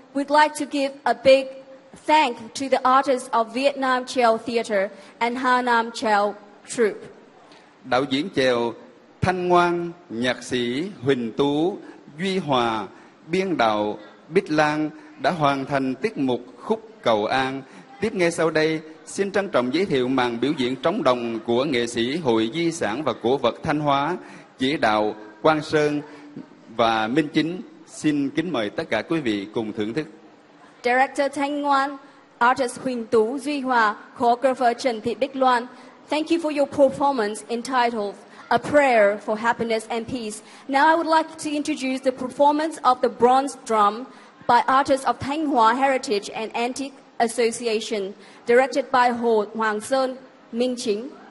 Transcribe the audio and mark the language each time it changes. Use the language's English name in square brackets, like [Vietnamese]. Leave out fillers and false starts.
[English] We'd like to give a big thank to the artists of Vietnam Chèo Theater and Hà Nam Chèo Troupe. [Vietnamese] Đạo diễn chèo Thanh Ngoan, nhạc sĩ Huỳnh Tú, Duy Hòa, biên đạo Bích Lan đã hoàn thành tiết mục khúc Cầu An. Tiếp ngay sau đây, xin trân trọng giới thiệu màn biểu diễn trống đồng của nghệ sĩ Hội Di sản và Cổ vật Thanh Hóa, chỉ đạo Quang Sơn và Minh Chính. Xin kính mời tất cả quý vị cùng thưởng thức. [English] Director Thanh Ngoan, artist Huỳnh Tú, Duy Hòa, choreographer Trần Thị Bích Loan, thank you for your performance entitled A Prayer for Happiness and Peace. Now I would like to introduce the performance of the bronze drum by artists of Thanh Hóa Heritage and Antique Association, directed by Hồ Hoàng Sơn, Minh Chính.